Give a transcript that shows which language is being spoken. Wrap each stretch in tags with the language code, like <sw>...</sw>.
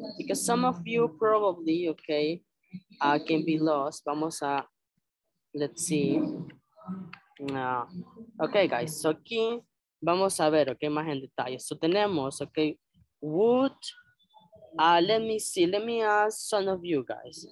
<en>Because some of you probably, okay, can be lost.</en> <es>Vamos a, let's see. No. Okay, guys, so aquí vamos a ver, okay, más en detalle.</es> <en>So tenemos, okay, would, let me see, let me ask some of you guys.</en>